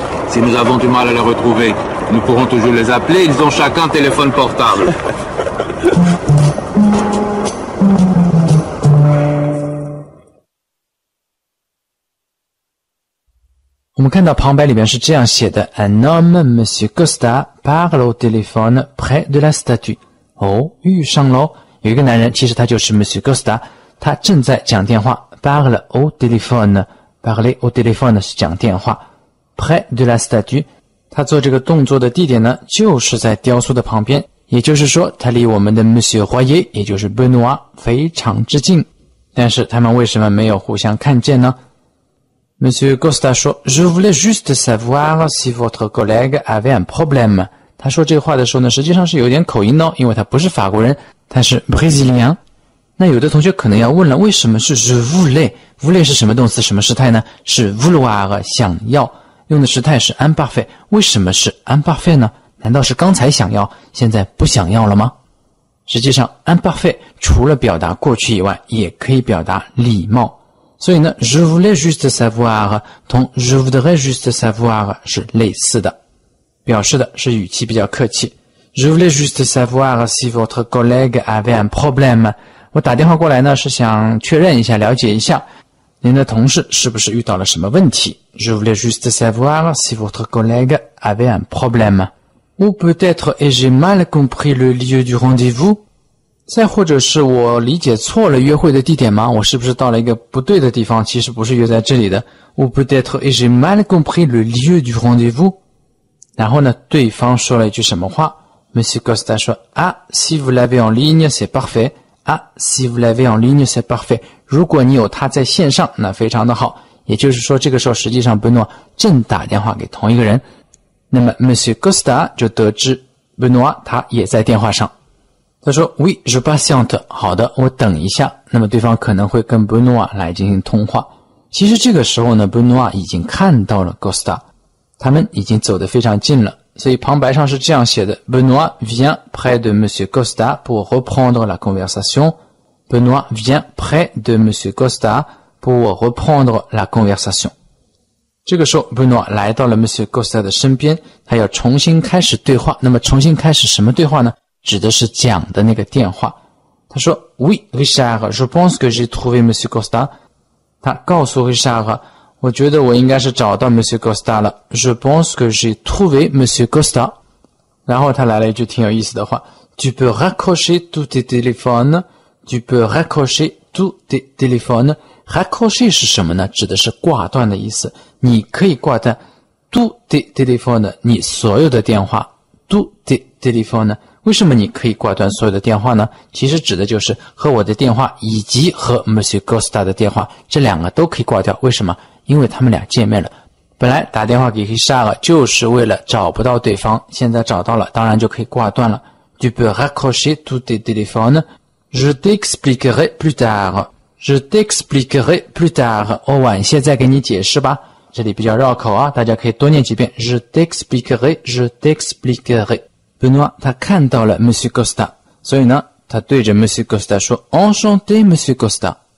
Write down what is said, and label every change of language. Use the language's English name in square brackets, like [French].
[French] Si nous avons du mal à les retrouver, nous pourrons toujours les appeler. Ils ont chacun un téléphone portable. [Chinese] 我们看到旁白里面是这样写的 [French] Un homme, Monsieur Costa, parle au téléphone près de la statue. [Chinese] 哦，遇上了，有一个男人，其实他就是 Monsieur Costa, 他正在讲电话 [French] parle au téléphone, parler au téléphone [Chinese] 是讲电话 [French] près de la statue, [Chinese] 他做这个动作的地点呢，就是在雕塑的旁边，也就是说他离我们的 Monsieur Royer 也就是 Benoît 非常之近。但是他们为什么没有互相看见呢？ [French] Monsieur Costa [Chinese] 说 [French] Je voulais juste savoir si votre collègue avait un problème。 [Chinese] 他说这话的时候呢，实际上是有点口音哦，因为他不是法国人，他是 Brésilien。那有的同学可能要问了，为什么是 je voulais？ voulais 是什么动词什么时态呢？是 vouloir， 想要，用的时态是 imparfait。为什么是 imparfait 呢？难道是刚才想要，现在不想要了吗？实际上 imparfait 除了表达过去以外，也可以表达礼貌。所以呢 [French] je voulais juste savoir [Chinese] 同 [French] je voudrais juste savoir [Chinese] 是类似的，表示的是语气比较客气。 [French] je voulais juste savoir si votre collègue avait un problème， [Chinese] 我打电话过来呢，是想确认一下，了解一下您的同事是不是遇到了什么问题。 [French] Je voulais juste savoir si votre collègue avait un problème. Ou peut-être ai-je mal compris le lieu du rendez-vous? [Chinese] 再或者是我理解错了约会的地点吗？我是不是到了一个不对的地方，其实不是约在这里的。 [French] Ou peut-être ai-je mal compris le lieu du rendez-vous? [Chinese] 然后呢，对方说了一句什么话？ [French] Monsieur Costa [Chinese] 说 [French] Ah, si vous l'avez en ligne, c'est parfait. Ah, si vous l'avez en ligne, c'est parfait. [Chinese] 如果你有他在线上，那非常的好。也就是说，这个时候实际上 Benoît 正打电话给同一个人。那么 Monsieur Costa 就得知 Benoît 他也在电话上。他说 [French] Oui, je patiente. [Chinese] 好的，我等一下。那么对方可能会跟 Benoît 来进行通话。其实这个时候呢， Benoît 已经看到了 Costa， 他们已经走得非常近了。所以旁白上是这样写的 [French] Benoît vient près de Monsieur Costa pour reprendre la conversation. Benoît vient près de Monsieur Costa pour reprendre la conversation. [Chinese] 这个时候 Benoît 来到了 Monsieur Costa 的身边，他要重新开始对话。那么重新开始什么对话呢？指的是讲的那个电话。他说 [French] Oui, Richard, je pense que j'ai trouvé Monsieur Costa. [Chinese] 他告诉 Richard,我觉得我应该是找到 Monsieur Costa 了。 [French] Je pense que j'ai trouvé Monsieur Costa. [Chinese] 然后他来了一句挺有意思的话， [French] Tu peux raccrocher tous tes téléphones. Tu peux raccrocher tous tes téléphones. [Chinese] Raccrocher 是什么呢？指的是挂断的意思。你可以挂断 [French] tous tes téléphones， [Chinese] 你所有的电话。 [French] tous tes téléphones， [Chinese] 为什么你可以挂断所有的电话呢？其实指的就是和我的电话以及和 Monsieur Costa 的电话，这两个都可以挂掉。为什么？因为他们俩见面了，本来打电话给 Richard 就是为了找不到对方，现在找到了，当然就可以挂断了。 [French] Tu peux raccrocher tous tes téléphones. Je t'expliquerai plus tard. Je t'expliquerai plus tard. [Chinese] 我晚些再给你解释吧。这里比较绕口啊，大家可以多念几遍。 [French] Je t'expliquerai, je t'expliquerai. [Chinese] Benoît 他看到了 Monsieur Costa， 所以呢他对着 Monsieur Costa 说 [French] Enchanté [Chinese] Monsieur Costa。